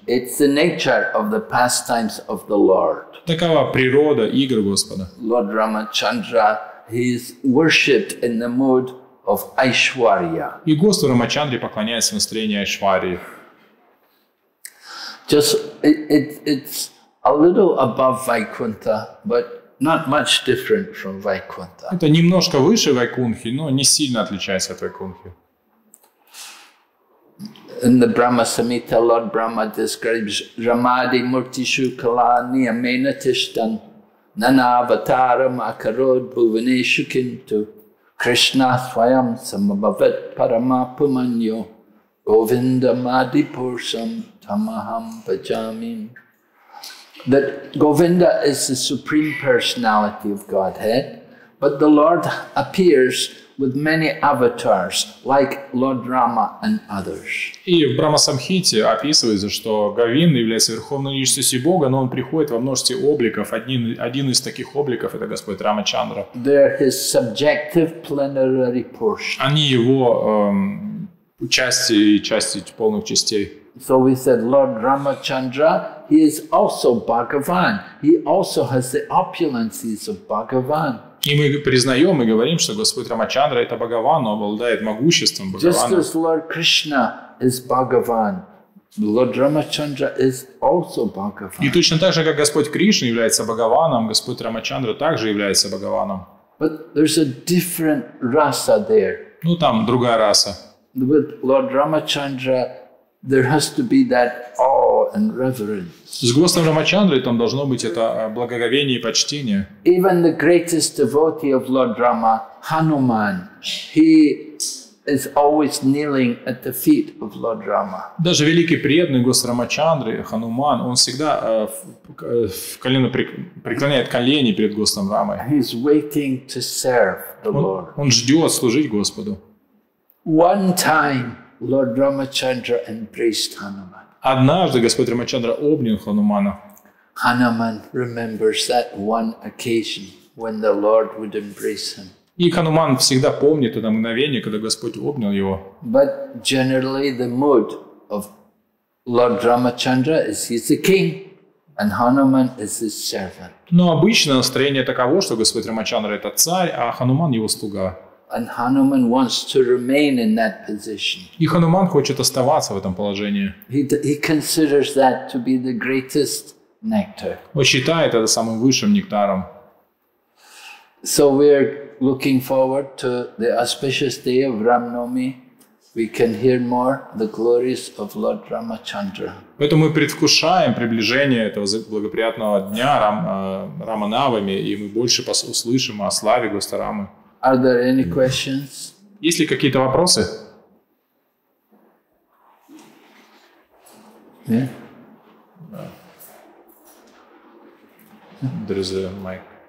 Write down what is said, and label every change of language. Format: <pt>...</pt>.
<en>It's the nature of the pastimes of the Lord.</en> <ru>Такова природа игр Господа.</ru> <en>Lord Ramachandra, he is worshipped in the mood of Aishwarya.</en> <ru>И Господу Рамачандре поклоняется в настроении Айшварии.</ru> <en>Just it's a little above Vaikuntha, but not much different from Vaikuntha.</en> <ru>Это немножко выше Вайкунхи, но не сильно отличается от Вайкунхи.</ru> <en>In the Brahma Samhita, Lord Brahma describes</en> <sa>Ramadi Murti Shukala Niyamena Tishtan Nana Avataram Akarod Bhuvaneshu Kintu Krishna Swayam Samabhavat Paramapumanyo Govinda Madhipursam Tamaham Bhajamim.</sa> <en>That Govinda is the Supreme Personality of Godhead, but the Lord appears with many avatars, like Lord Rama and others.</en> <ru>И в Брахмасамхите описывается, что Говинда является верховной личностью Бога, но он приходит во множестве обликов. Один из таких обликов – это Господь Рамачандра.</ru> <en>They're his subjective plenary portion.</en> <ru>Они его части полных частей.</ru> <en>So we said, Lord Ramachandra, he is also Bhagavan. He also has the opulences of Bhagavan.</en> <ru>И мы признаем и говорим, что Господь Рамачандра – это Бхагаван, но обладает могуществом Бхагавана.</ru> <en>Just as Lord Krishna is Bhagavan, Lord Ramachandra is also Bhagavan.</en> <ru>И точно так же, как Господь Кришна является Бхагаваном, Господь Рамачандра также является Бхагаваном.</ru> <en>But there's a different rasa there.</en> <ru>Ну, там другая раса.</ru> <en>With Lord Ramachandra, there has to be that awe and reverence.</en> <ru>С Господом Рамачандрой там должно быть это благоговение и почтение.</ru> <en>Even the greatest devotee of Lord Rama, Hanuman, he is always kneeling at the feet of Lord Rama.</en> <ru>Даже великий преданный Господа Рамачандры, Хануман, он всегда преклоняет колени перед Господом Рамой.</ru> <en>He is waiting to serve the Lord.</en> <ru>Он ждет служить Господу.</ru> <en>One time Lord Ramachandra embraced Hanuman.</en> <ru>Однажды Господь Рамачандра обнял Ханумана.</ru> <en>Hanuman remembers that one occasion when the Lord would embrace him.</en> <ru>И Хануман всегда помнит это мгновение, когда Господь обнял его.</ru> <en>But generally the mood of Lord Ramachandra is he's the king and Hanuman is his servant.</en> <ru>Но обычно настроение таково, что Господь Рамачандра это царь, а Хануман его слуга.</ru> <en>And Hanuman wants to remain in that position.</en> <ru>И Хануман хочет оставаться в этом положении.</ru> <en>He considers that to be the greatest nectar.</en> <ru>Он считает это самым высшим нектаром.</ru> <en>So we're looking forward to the auspicious day of Ramnomi. We can hear more the glories of Lord Ramachandra.</en> <ru>Поэтому мы предвкушаем приближение этого благоприятного дня Раманавами, и мы больше услышим о славе Господа Рамы.</ru> <en>Are there any questions?</en> <ru>Есть ли какие-то вопросы?</ru> <en>There is a mic.</en>